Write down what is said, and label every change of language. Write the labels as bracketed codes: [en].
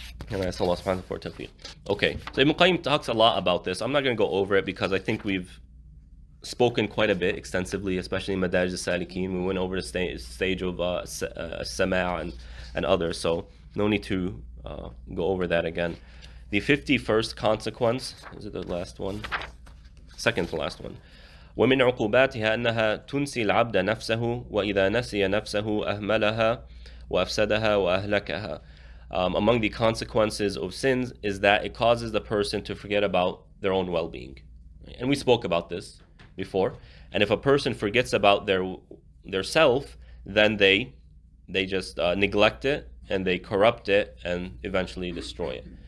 [en] And I ask Allah subhanahu wa ta'ala. Okay, so Ibn Qayyim talks a lot about this. I'm not going to go over it because I think we've spoken quite a bit extensively, especially in Madaj al-Salikin. We went over the stage of Sama' and others, so no need to go over that again. The 51st consequence, is it the last one? Second to last one. [ar] ومن عقوباتها أنها تنسي العبد نفسه وإذا نسي نفسه أهملها وأفسدها وأهلكها. [en] Among the consequences of sins is that it causes the person to forget about their own well-being. And we spoke about this before. And if a person forgets about their self, then they just neglect it and they corrupt it and eventually destroy it.